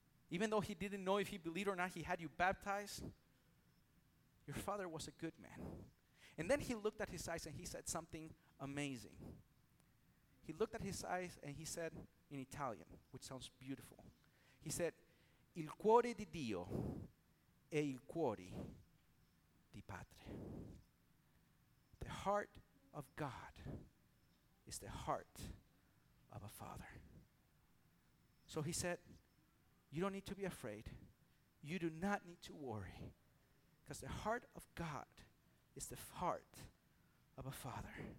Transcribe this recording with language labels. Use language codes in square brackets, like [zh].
[en] Even though he didn't know if he believed or not, he had you baptized. Your father was a good man. And then he looked at his eyes and he said something amazing. He looked at his eyes and he said in Italian, which sounds beautiful. He said, [it] il cuore di Dio e il cuore di padre. [en] The heart of God is the heart of a father. So he said, you don't need to be afraid. You do not need to worry, because the heart of God is the heart of a father.